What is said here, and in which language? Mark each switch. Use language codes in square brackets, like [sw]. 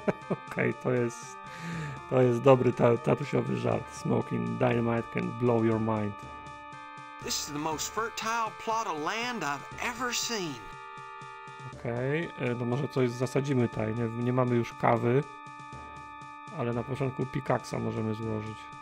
[pl] Okay, to jest dobry tatusiowy żart. [en] Smoking dynamite can blow your mind. This is the most fertile plot of land I've ever seen. [pl] Okej, no może coś zasadzimy tutaj. Nie mamy już kawy, ale na początku pikaksa możemy złożyć.